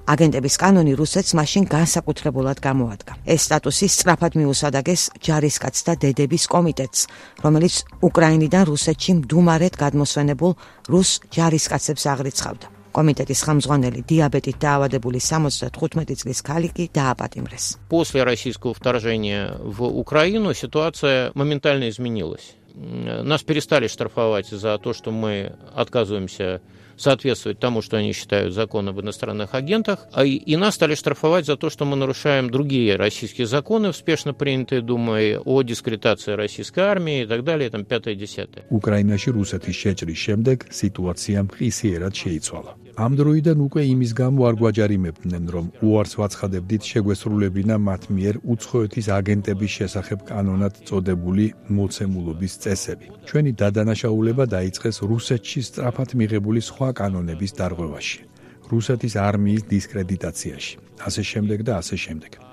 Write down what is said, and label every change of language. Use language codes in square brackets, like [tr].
[ka] აგენტების კანონი რუსეთს მაშინ განსაკუთრებულად გამოადგა. ეს სტატუსი სწრაფად მიუსადაგეს ჯარისკაცთა დედების კომიტეტს, რომელიც უკრაინიდან რუსეთში მდუმარედ გადმოსვენებულ რუს ჯარისკაცებს აღრიცხავდა. Комитетის ხამზღანელი დიაბეტით დაავადებული 75 წლის ქალი კი დააპატიმრეს. [ru] После российского вторжения в Украину ситуация моментально изменилась. Нас перестали штрафовать за то, что мы отказываемся соответствовать тому, что они считают закон об иностранных агентах, и нас стали штрафовать за то, что мы нарушаем другие российские законы, успешно принятые Думой, о дискредитации российской армии и так далее, там 5-10. [ka] Украинаში რუსეთის შეჭრის შემდეგ სიტუაცია მყისიერად შეიცვალა. ამ დროიდან უკვე იმის გამო არ გვაჯარიმებდნენ, რომ უარს ვაცხადებდით შეგვესრულებინა მათ მიერ უცხოეთის აგენტების შესახებ კანონად წოდებული მოცემულობის წესები. ჩვენი დადანაშაულება დაიწყეს რუსეთში სწრაფად მიღებული სხვა კანონების დარღვევაში, რუსეთის არმიის დისკრედიტაციაში, ასე შემდეგ და ასე შემდეგ.